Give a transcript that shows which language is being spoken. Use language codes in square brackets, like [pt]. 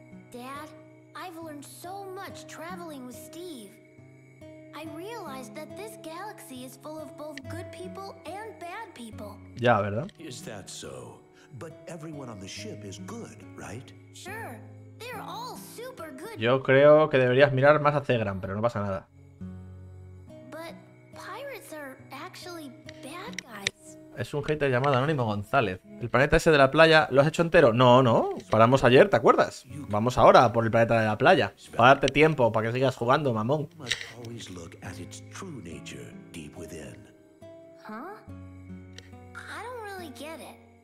[en] Dad, I've learned so much traveling with Steve. I realized that this galaxy is full of both good people and bad people. [es] Ya, ¿verdad? [en] Is that so? But everyone on the ship is good, right? Sure. They're all super good. [es] Yo creo que deberías mirar más a Zegran, pero no pasa nada. [en] But pirates are actually bad guys. [es] Es un hater llamado Anónimo González. El planeta ese de la playa, ¿lo has hecho entero? No, no, paramos ayer, ¿te acuerdas? Vamos ahora por el planeta de la playa. Para darte tiempo, para que sigas jugando, mamón. [en] ¿Huh? I don't really get it.